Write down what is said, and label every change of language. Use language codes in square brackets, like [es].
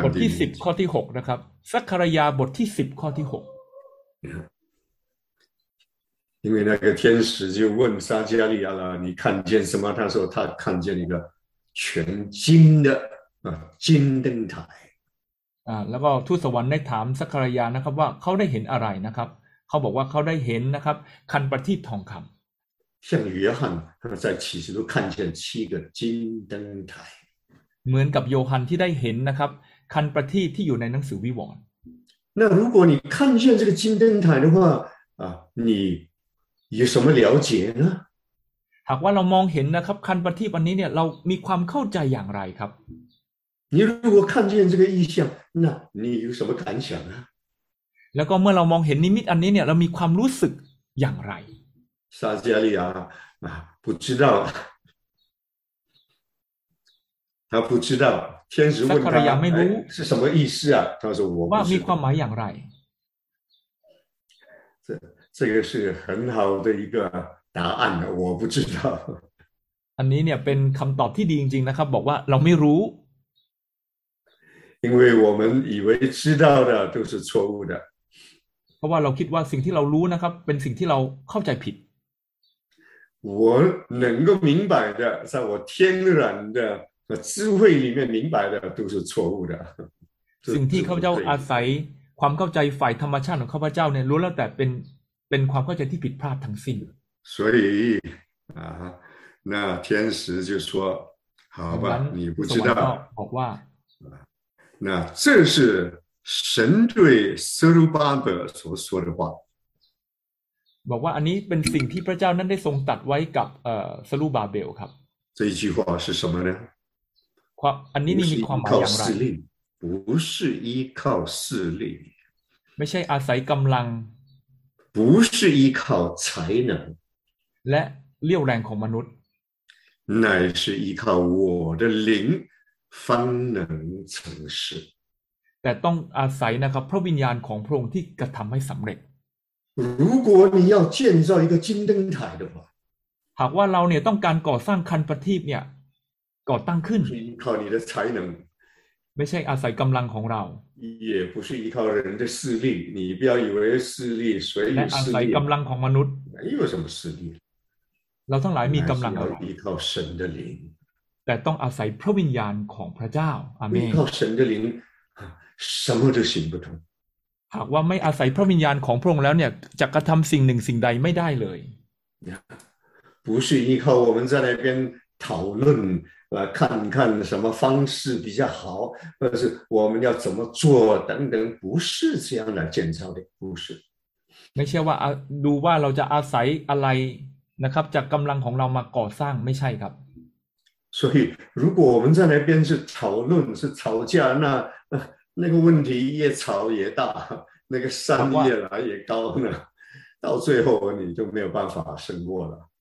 [th] บทที่10ข้อที่6นะครับซักคารยาบทที่10ข้อที่6 [zh] 因为那个天使就问撒加利亚了你看见什么他说他看见一个全金的金灯台 [th] แล้วก็ทูตสวรรค์ได้ถามซักคารยานะครับว่าเขาได้เห็นอะไรนะครับเขาบอกว่าเขาได้เห็นนะครับคันประทีปทองคำ [zh] 像约翰他在启示录看见七个金灯台 [th] เหมือนกับโยฮันที่ได้เห็นนะครับคันประทีปที่อยู่ในหนังสือวิวรณ์ [zh] 那如果你看见这个金灯台的话啊你有什么了解呢 [th] หากว่าเรามองเห็นนะครับคันประทีปอันนี้เนี่ยเรามีความเข้าใจอย่างไรครับ [zh] 你如果看见这个意象那你有什么感想啊 [th] แล้วก็เมื่อเรามองเห็นนิมิตอันนี้เนี่ยเรามีความรู้สึกอย่างไร [zh] ซาจาริยา不知道他不知道天使问他 [th] ไม่รู้ [zh] 是什么意思啊他说我 [th] ว่ามีความหมายอย่างไร [zh] 这个是很好的一个答案我不知道 [th] อันนี้เนี่ยเป็นคำตอบที่ดีจริงๆนะครับบอกว่าเราไม่รู้ [zh] 因为我们以为知道的都是错误的 [th] เพราะว่าเราคิดว่าสิ่งที่เรารู้นะครับเป็นสิ่งที่เราเข้าใจผิด [zh] 我能够明白的在我天然的智慧里面明白的都是错误的 [th] สิ่งที่ข้าพเจ้าอาศัยความเข้าใจฝ่ายธรรมชาติของข้าพเจ้าเนี่ยรู้แล้วแต่เป็นความเข้าใจที่ผิดพลาดทั้งสิ้น [zh] 所以那天使就说好吧你不知道 [th] บอกว่า [zh] 那这是神对撒鲁巴伯所说的话 [th] บอกว่าอันนี้เป็นสิ่งที่พระเจ้านั้นได้ทรงตัดไว้กับสลูบาเบลครับ [zh] 这句话是什么呢 [th] ความอันนี้มีความหมายอย่างไร [zh] 不是依靠势力 [th] ไม่ใช่อาศัยกำลัง [zh] 不是依靠才能 [th] และเลี้ยวแรงของมนุษย์ [zh] 乃是依靠我的灵方能成事 [th] แต่ต้องอาศัยนะครับพระวิญญาณของพระองค์ที่กระทำให้สำเร็จ [zh] 如果你要建造一个金灯台的话 [th] หากว่าเราเนี่ยต้องการก่อสร้างคันประทีปเนี่ยก่อตั้งขึ้น [zh] 依靠你的才能 [th] ไม่ใช่อาศัยกำลังของเรา [zh] 也不是依靠人的势力你不要以为势力谁有势力 [th] อาศัยกำลังของมนุษย์ ไม่ [zh] 有什么势力 [th] เราทั้งหลายมีกำลัง อะไร [zh] 依靠神的灵 [th] แต่ต้องอาศัยพระวิญญาณของพระเจ้าอาเมน [zh] 依靠神的灵什么都行不通 [th] หากว่าไม่อาศัยพระวิญญาณของพระองค์แล้วเนี่ยจะกระทำสิ่งหนึ่งสิ่งใดไม่ได้เลย [zh] 不是依靠我们在那边讨论来看看什么方式比较好或者是我们要怎么做等等不是这样来建造的不是 [th] ไม่ใช่ว่าดูว่าเราจะอาศัยอะไรนะครับจากกำลังของเรามาก่อสร้างไม่ใช่ครับ [zh] 所以如果我们在那边是讨论是吵架那那个问题越吵越大那个山越来越高呢到最后你就没有办法胜过了